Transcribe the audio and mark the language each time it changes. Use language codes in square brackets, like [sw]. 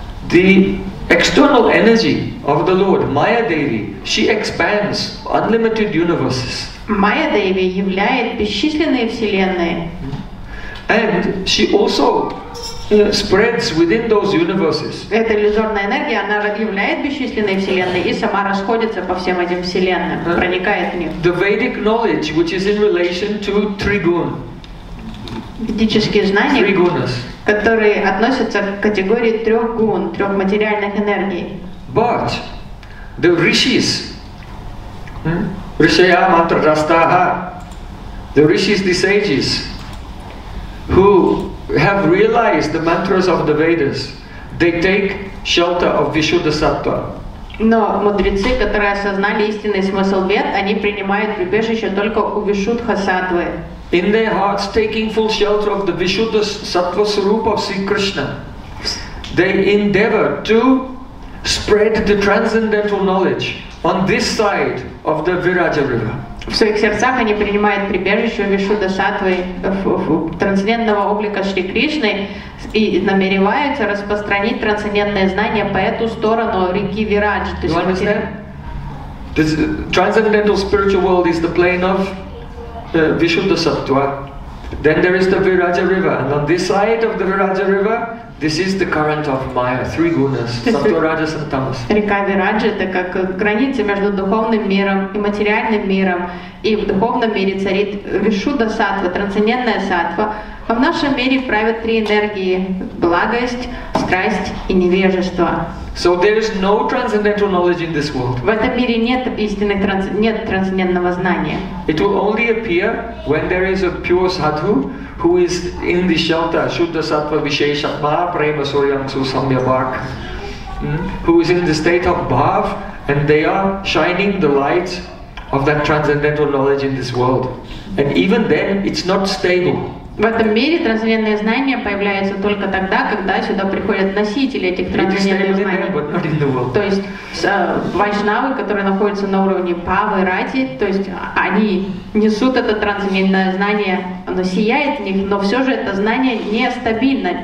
[en] The external energy of the Lord, Maya Devi, she expands unlimited universes. [ru] Майя Деви являет бесчисленные вселенные. [en] And she also spreads within those universes. [ru] Эта иллюзорная энергия, она являет бесчисленные вселенные и сама расходится по всем этим вселенным, проникает в них. [en] The Vedic knowledge, which is in relation to Trigun. [ru] Ведические знания, которые относятся к категории трех гун, трех материальных энергий. [en] But the rishis, rishaya mantra rastaha, the rishis, the sages, who have realized the mantras of the Vedas, they take shelter of Vishuddha Sattva. [ru] Но мудрецы, которые осознали истинный смысл Вед, они принимают прибежище только у Вишудха Сатвы. [en] In their hearts, taking full shelter of the Vishuddha Sattva Sarupa of Sri Krishna, they endeavor to spread the transcendental knowledge on this side of the Viraja River. [ru] В своих сердцах они принимают прибежище у Вишудда Сатвы, трансцендентного облика Шри Кришны, и намереваются распространить трансцендентные знания по эту сторону реки Вирадж. [en] You understand? The transcendental spiritual world is the plane of Vishuddha Sattva. Then there is the Viraja River, and on this side of the Viraja River, this is the current of Maya, three gunas, Sattva, Rajas and Tamas. [ru] Река Вираджа – это как граница между духовным миром и материальным миром. И в духовном мире царит Вишудда Сатва, трансцендентная сатва. А в нашем мире правят три энергии – благость, страсть и невежество. [en] So there is no transcendental knowledge in this world. [ru] В этом мире нет истинной нет трансцендентного знания. [en] It will only appear when there is a pure sadhu who is in the shelter, Shuddha Sattva Vishesha Maha Prema Suryam Su Samya Bhak, who is in the state of Bhav, and they are shining the light of that transcendental knowledge in this world. And even then, it's not stable. [ru] В этом мире трансцендентные знания появляются только тогда, когда сюда приходят носители этих трансцендентных знаний. То есть вайшнавы, которые находятся на уровне павы, рати, то есть они несут это трансцендентное знание, оно сияет в них, но все же это знание не стабильно.